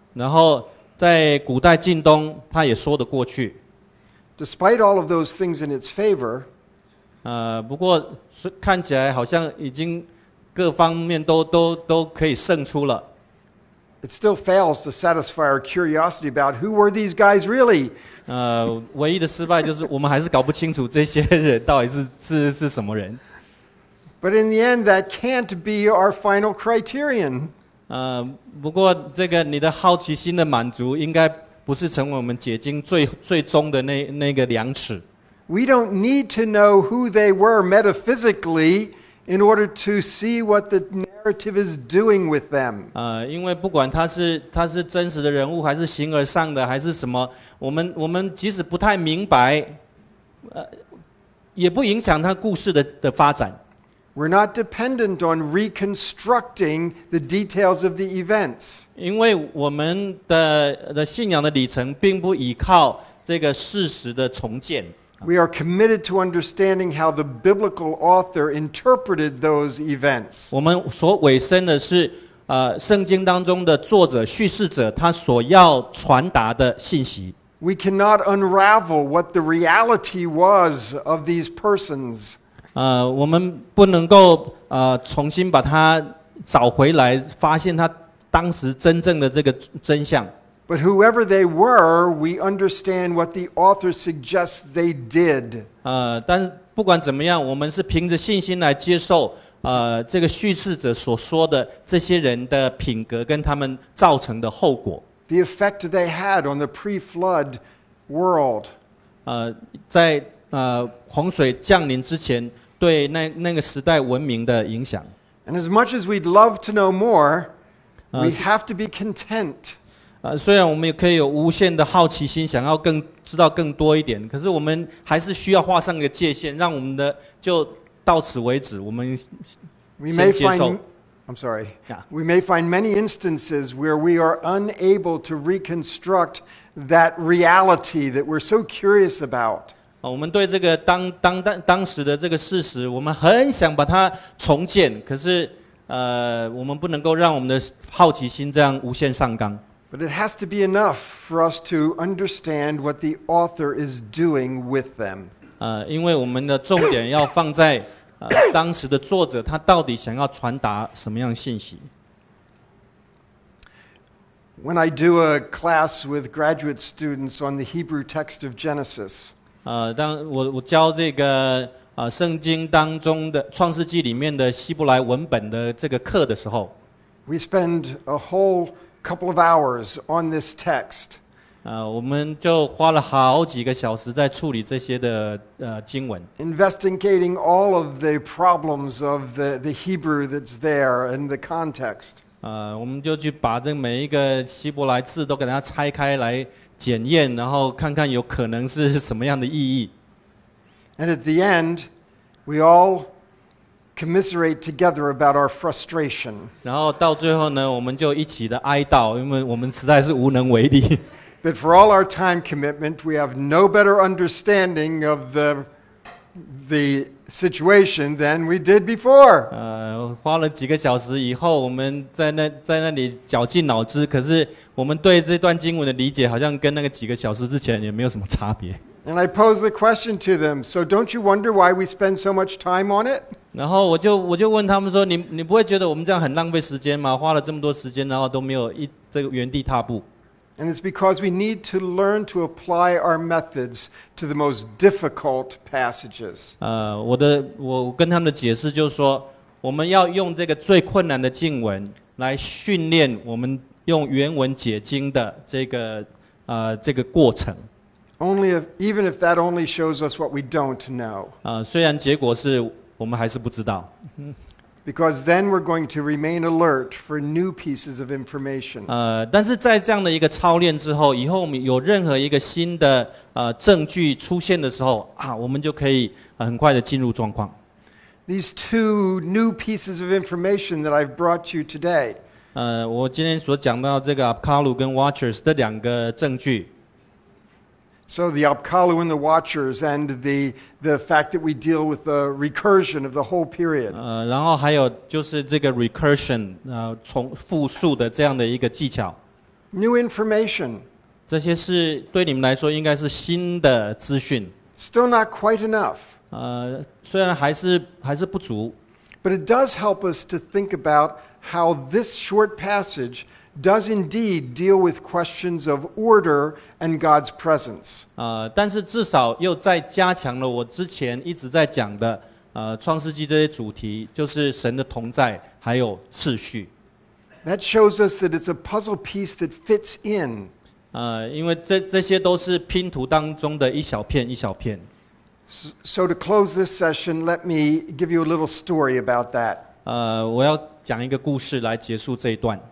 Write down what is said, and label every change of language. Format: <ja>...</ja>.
<zh>然后。在古代近东，他也说得过去。</zh> <en>Despite all of those things in its favor,</en> <zh>不过看起来好像已经各方面都可以胜出了。</zh> <en>It still fails to satisfy our curiosity about who were these guys really.</en> <zh>唯一的失败就是我们还是搞不清楚这些人到底是什么人。</zh> <en>But in the end, that can't be our final criterion.</en> <zh>不过这个你的好奇心的满足应该不是成为我们解经最终的那个量尺。</zh> <en>We don't need to know who they were metaphysically in order to see what the narrative is doing with them.</en> <zh>因为不管他是真实的人物还是形而上的还是什么，我们即使不太明白，也不影响他故事的发展。</zh> <en>We're not dependent on reconstructing the details of the events.</en> <zh>因为我们的信仰的旅程并不依靠这个事实的重建。</zh> <en>We are committed to understanding how the biblical author interpreted those events.</en> <zh>我们所委身的是圣经当中的作者叙事者他所要传达的信息。</zh> <en>We cannot unravel what the reality was of these persons.</en> <zh>我们不能够重新把它找回来，发现它当时真正的这个真相。</zh> <en>But whoever they were, we understand what the author suggests they did.</en> <zh>但是不管怎么样，我们是凭着信心来接受这个叙事者所说的这些人的品格跟他们造成的后果。</zh> <en>The effect they had on the pre-flood world.</en> <zh>在洪水降临之前对那个时代文明的影响。</zh> <en>And as much as we'd love to know more, we have to be content.</en> <zh>虽然我们也可以有无限的好奇心想要更知道更多一点，可是我们还是需要画上一个界限，让我们的就到此为止，我们先接受。</zh> <en>I'm sorry. We may find many instances where we are unable to reconstruct that reality that we're so curious about.</en> <zh>我们对这个当时的这个事实，我们很想把它重建，可是我们不能够让我们的好奇心这样无限上纲。</zh> <en>But it has to be enough for us to understand what the author is doing with them.</en> <zh>因为我们的重点要放在当时的作者他到底想要传达什么样的信息。</zh> <en>When I do a class with graduate students on the Hebrew text of Genesis.</en> <zh>当我教这个圣经当中的创世纪里面的希伯来文本的这个课的时候</zh> <en>，We spend a whole couple of hours on this text.</en> <zh>我们就花了好几个小时在处理这些的经文。</zh> <en>Investigating all of the problems of the Hebrew that's there and the context.</en> <zh>我们就去把这每一个希伯来字都给它拆开来检验，然后看看有可能是什么样的意义。</zh> <en>And at the end, we all commiserate together about our frustration.</en> <zh>然后到最后呢，我们就一起的哀悼，因为我们实在是无能为力。</zh> <en>That for all our time commitment, we have no better understanding of the situation than we did before.</en> <zh>花了几个小时以后，我们在那里绞尽脑汁，可是我们对这段经文的理解好像跟那个几个小时之前也没有什么差别。</zh> <en>And I pose the question to them. So don't you wonder why we spend so much time on it?</en> <zh>然后我就问他们说，你不会觉得我们这样很浪费时间吗？花了这么多时间，然后都没有这个原地踏步。</zh> <en>And it's because we need to learn to apply our methods to the most difficult passages.</en> <zh>我跟他们的解释就是说，我们要用这个最困难的经文来训练我们用原文解经的这个过程。</zh> <en>Even if that only shows us what we don't know.</en> <zh>虽然结果是我们还是不知道。</zh> <en>Because then we're going to remain alert for new pieces of information.</en> <zh>但是在这样的一个操练之后，以后我们有任何一个新的证据出现的时候啊，我们就可以很快的进入状况。</zh> <en>These two new pieces of information that I've brought you today.</en> <zh>我今天所讲到这个 Apkalu 跟 Watchers 的两个证据。</zh> <en>So the Apkalu and the Watchers and the fact that we deal with the recursion of the whole period.</en> <zh>然后还有就是这个 recursion, 重复述的这样的一个技巧。</zh> <en>New information.</en> <zh>这些是对你们来说应该是新的资讯。</zh> <en>Still not quite enough.</en> <zh>虽然还是不足。</zh> <en>But it does help us to think about how this short passage does indeed deal with questions of order and God's presence.</en> <zh>但是至少又再加强了我之前一直在讲的创世纪这些主题，就是神的同在还有次序。</zh> <en>That shows us that it's a puzzle piece that fits in.</en> <zh>因为这些都是拼图当中的一小片一小片。</zh> <en>So to close this session, let me give you a little story about that.</en> <zh>我要讲一个故事来结束这一段。</zh>